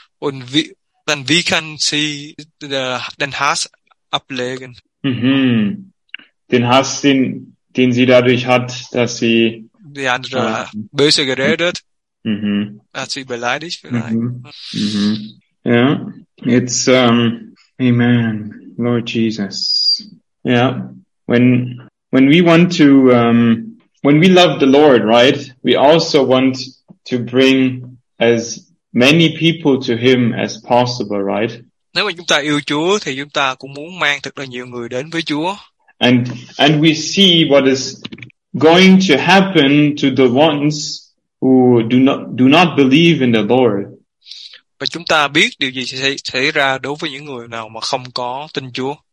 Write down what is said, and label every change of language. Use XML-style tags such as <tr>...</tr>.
<de>Und wie kann sie den Hass ablegen? Mm-hmm. Den Hass, den sie dadurch hat, dass sie die andere böse geredet, hat sie beleidigt vielleicht.</de> <en>Ja, it's amen, Lord Jesus. Yeah, when we want to when we love the Lord, right? We also want to bring as many people to Him as possible, right?</en> <vi>Nếu mà chúng ta yêu Chúa thì chúng ta cũng muốn mang thật là nhiều người đến với Chúa.</vi> <en>And we see what is going to happen to the ones who do not believe in the Lord.</en> <vi>Và chúng ta biết điều gì sẽ xảy ra đối với những người nào mà không có tin Chúa.</vi>